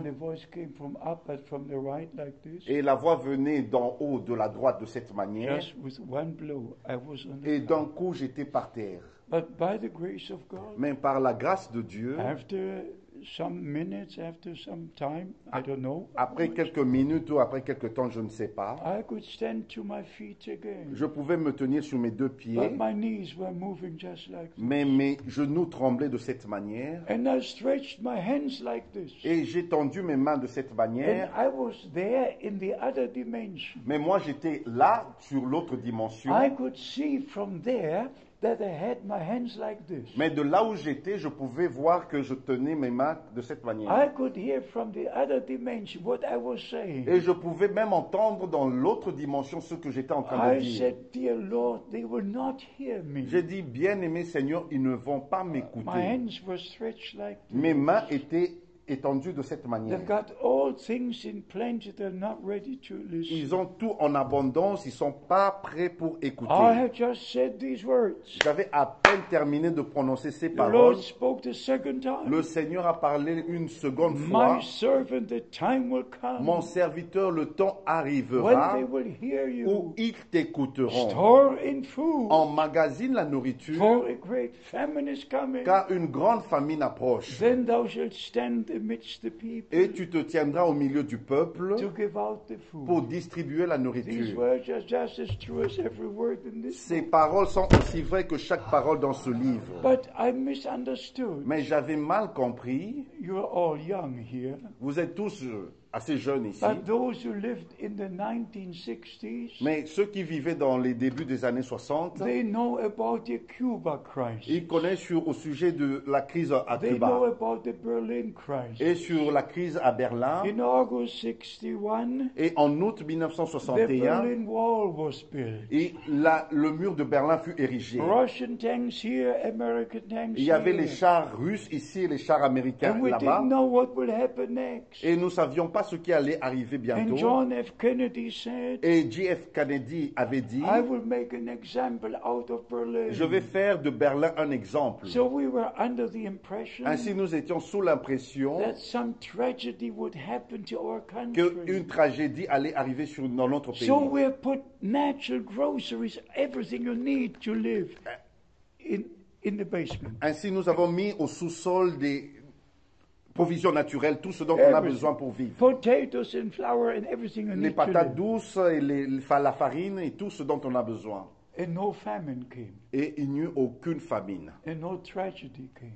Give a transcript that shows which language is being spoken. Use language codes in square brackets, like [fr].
[en] And the voice came from up and from the right like this. [fr] Et la voix venait d'en haut, de la droite, de cette manière. [en] Just with one blow, I was on the [fr] et d'un coup, j'étais par terre. [en] But by the grace of God. [fr] Mais par la grâce de Dieu. [en] After some minutes, after some time, I don't know. [fr] Après quelques minutes ou après quelques temps, je ne sais pas. [en] I could stand to my feet again. [fr] Je pouvais me tenir sur mes deux pieds. [en] But my knees were moving just like this. [fr] Mais mes genoux tremblaient de cette manière. [en] And I stretched my hands like this. [fr] Et j'ai tendu mes mains de cette manière. [en] And I was there in the other dimension. [fr] Mais moi, j'étais là sur l'autre dimension. [en] I could see from there. That I had my hands like this. [fr] Mais de là où j'étais, je pouvais voir que je tenais mes mains de cette manière. [en] I could hear from the other dimension what I was saying. [fr] Et je pouvais même entendre dans l'autre dimension ce que j'étais en train de dire. [en] I said, "Dear Lord, they will not hear me." [fr] J'ai dit, bien-aimé Seigneur, ils ne vont pas m'écouter. [en] My hands were stretched like this. [fr] Mes mains étaient étendue de cette manière. [en] They've got all things in plenty, they're not ready to listen. [fr] Ils ont tout en abondance, ils sont pas prêts pour écouter. [en] I have just said these words. [fr] J'avais à peine terminé de prononcer ces [en] the [fr] paroles. [en] Lord spoke the second time. [fr] Le Seigneur a parlé une seconde fois. [en] My servant, the time will come. [fr] Mon serviteur, le temps arrivera. [en] When they will hear you. [fr] Où ils t'écouteront. [en] Store in food. [fr] En magasine la nourriture. [en] For a great famine is coming. [fr] Car une grande famine approche. [en] Then thou shalt stand amidst the people. [fr] Et tu te tiendras au milieu du peuple [en] to give out the food. [fr] Pour distribuer la nourriture. [en] These words are just as true as every word in this book. [fr] Ces paroles sont aussi vraies que chaque parole dans ce livre. [en] But I misunderstood. [fr] Mais j'avais mal compris. [en] You are all young here. [fr] Vous êtes tous assez jeunes ici. [en] But those who lived in the 1960s, [fr] mais ceux qui vivaient dans les débuts des années 60, [en] they know about the Cuba crisis. [fr] Ils connaissent sur, au sujet de la crise à [en] they [fr] Cuba [en] know about the Berlin crisis. [fr] Et sur la crise à Berlin. [en] In August 61, [fr] et en août 1961, [en] the Berlin Wall was built. [fr] Et la, le mur de Berlin fut érigé. [en] Russian tanks here, American tanks [fr] il y avait [en] here. [fr] Les chars russes ici et les chars américains [en] and [fr] là-bas. [en] We didn't know what will happen next. [fr] Et nous savions pas ce qui allait arriver bientôt. [en] And John F. Kennedy said, [fr] et J.F. Kennedy avait dit, [en] I will make an example out of Berlin. [fr] Je vais faire de Berlin un exemple. [en] So we were under the impression [fr] ainsi nous étions sous l'impression [en] that some tragedy would happen to our country. [fr] Que une tragédie allait arriver sur, dans notre pays. [en] So we put natural groceries, everything you need to live in the basement. [fr] Ainsi nous avons mis au sous-sol des provisions naturelles, tout ce dont [en] everything. [fr] On a besoin pour vivre. [en] Potatoes and flour and everything you [fr] les [en] need [fr] patates Douces et les, la farine et tout ce dont on a besoin. [en] And no famine came. [fr] Et il n'y eut aucune famine. [en] And no tragedy came.